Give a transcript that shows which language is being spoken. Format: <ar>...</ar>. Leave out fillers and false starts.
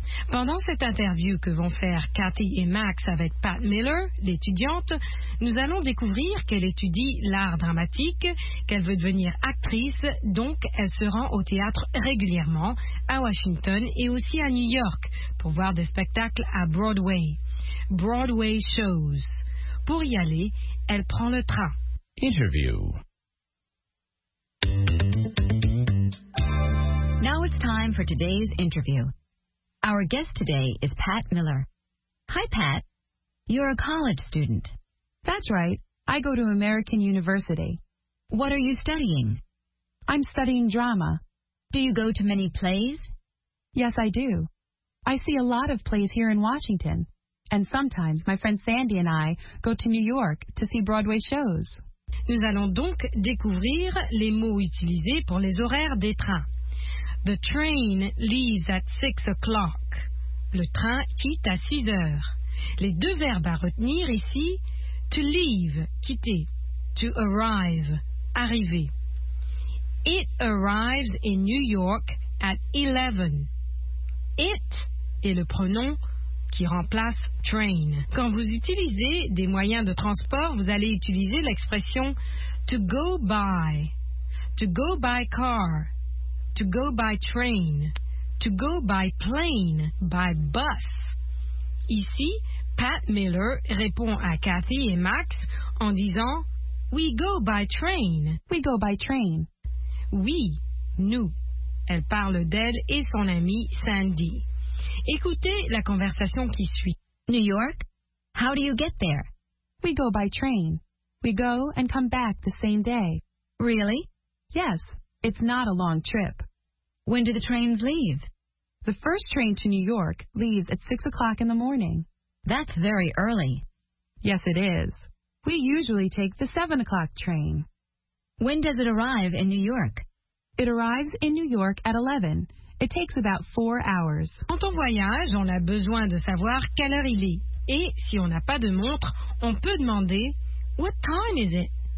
<fr>Pendant cette interview que vont faire Kathy et Max avec Pat Miller, l'étudiante, nous allons découvrir qu'elle étudie l'art dramatique, qu'elle veut devenir actrice, donc elle se rend au théâtre régulièrement, à Washington et aussi à New York, pour voir des spectacles à Broadway.</fr> <en>Broadway shows.</en> <fr>Pour y aller, elle prend le train.</fr> <en>Interview. Now it's time for today's interview. Our guest today is Pat Miller. Hi, Pat. You're a college student. That's right. I go to American University. What are you studying? I'm studying drama. Do you go to many plays? Yes, I do. I see a lot of plays here in Washington. And sometimes my friend Sandy and I go to New York to see Broadway shows.</en> <fr>Nous allons donc découvrir les mots utilisés pour les horaires des trains.</fr> <en>The train leaves at 6 o'clock.</en> <fr>Le train quitte à 6 heures. Les deux verbes à retenir ici,</fr> <en>to leave,</en> <fr>quitter,</fr> <en>to arrive,</en> <fr>arriver.</fr> <en>It arrives in New York at 11.</en> <fr>It est le pronom qui remplace train. Quand vous utilisez des moyens de transport, vous allez utiliser l'expression</fr> <en>to go by, to go by car, to go by train, to go by plane, by bus.</en> <fr>Ici, Pat Miller répond à Kathy et Max en disant</fr> <en>we go by train. We go by train.</en> <fr>Oui, nous. Elle parle d'elle et son amie Sandy. Écoutez la conversation qui suit.</fr> <en>New York? How do you get there? We go by train. We go and come back the same day. Really? Yes. It's not a long trip. When do the trains leave? The first train to New York leaves at 6 o'clock in the morning. That's very early. Yes, it is. We usually take the 7 o'clock train. When does it arrive in New York? It arrives in New York at 11. It takes about 4 hours.</en> <fr>Quand on voyage, on a besoin de savoir quelle heure il est. Et si on n'a pas de montre, on peut demander,</fr> <en>what time is it?</en>